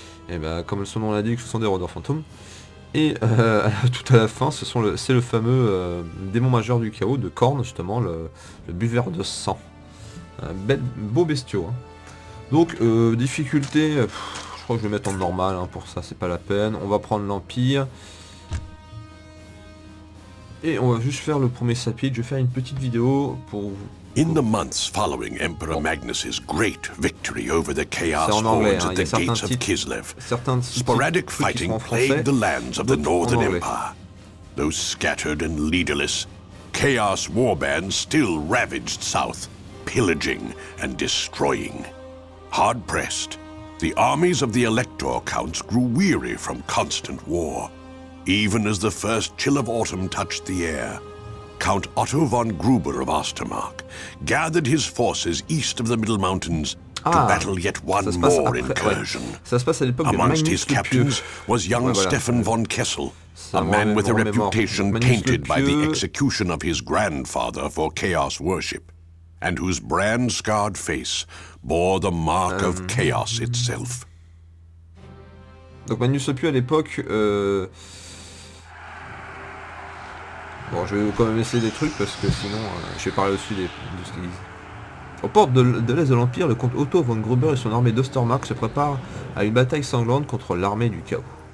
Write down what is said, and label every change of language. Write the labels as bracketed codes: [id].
[fr] Et bah, comme son nom l'indique, ce sont des rôdeurs fantômes. Et tout à la fin, c'est le fameux démon majeur du chaos de Khorne, justement, le buveur de sang. Un beau bestiau. Hein. Donc, difficulté, je crois que je vais mettre en normal hein, pour ça, c'est pas la peine. On va prendre l'Empire. Et on va juste faire le premier sapide. Je vais faire une petite vidéo pour vous. [en] In the months following Emperor Magnus's great victory over the Chaos Hordes at the gates of Kislev, sporadic fighting plagued the lands of the Northern Empire. Though scattered and leaderless, Chaos Warbands still ravaged south, pillaging and destroying. Hard-pressed, the armies of the Elector Counts grew weary from constant war. Even as the first chill of autumn touched the air, Count Otto von Gruber of Ostermark gathered his forces east of the Middle Mountains to battle yet one more incursion. Amongst his captains was young Stefan von Kessel, a man with a reputation tainted by the execution of his grandfather for chaos worship, and whose brand-scarred face bore the mark of chaos itself. [fr] Donc Magnus le Pieux à l'époque... Bon, je vais quand même essayer des trucs parce que sinon, je vais parler aussi de ce qu'ils disent. Aux portes de l'Est de l'Empire, le comte Otto von Gruber et son armée d'Ostermark se préparent à une bataille sanglante contre l'armée du chaos.